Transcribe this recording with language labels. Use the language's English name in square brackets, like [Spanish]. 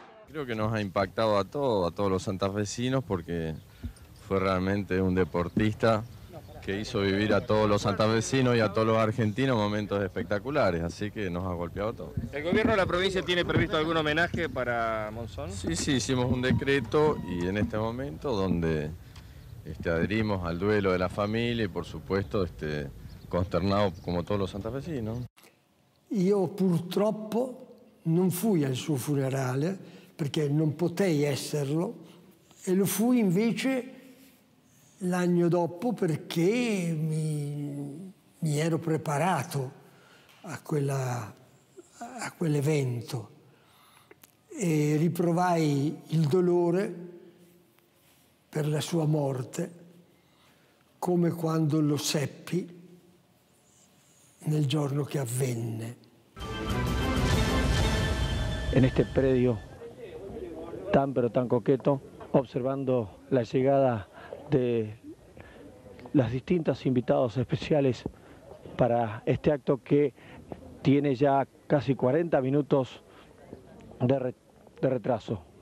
[Spanish] Creo que nos ha impactado a todos los santafesinos, porque fue realmente un deportista que hizo vivir a todos los santafesinos y a todos los argentinos momentos espectaculares, así que nos ha golpeado todo. ¿El gobierno de la provincia tiene previsto algún homenaje para Monzón? Sí, sí, hicimos un decreto y en este momento donde adherimos al duelo de la familia y por supuesto consternado como todos los santafesinos. [Italian] Io purtroppo non fui al suo funerale perché non potei esserlo e lo fui invece l'anno dopo perché mi ero preparato a quell'evento e riprovai il dolore per la sua morte come quando lo seppi nel giorno che avvenne. [Spanish] En este predio tan pero tan coqueto, observando la llegada de las distintas invitados especiales para este acto que tiene ya casi 40 minutos de retraso.